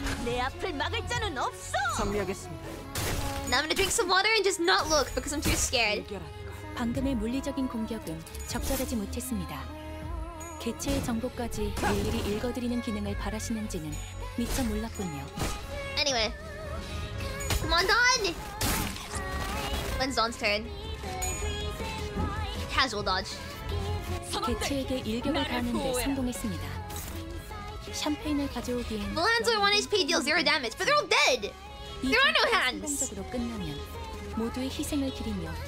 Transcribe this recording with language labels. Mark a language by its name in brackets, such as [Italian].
[English] Now I'm gonna drink some water and just not look because I'm too scared. [Korean] 방금의 물리적인 공격은 적절하지 못했습니다. 개체의 정보까지 일일이 읽어드리는 기능을 바라시는지는 미처 몰랐군요. [English] Anyway, come on, Dawn. When's Dawn's turn? Casual dodge. [Korean] 개체에게 일격을 가하는데 성공했습니다. 샴페인을 가져오기엔. [English] Well, hands with one HP deals zero damage, but they're all dead. There are no hands. [Korean] 끝나면 모두의 희생을 기리며.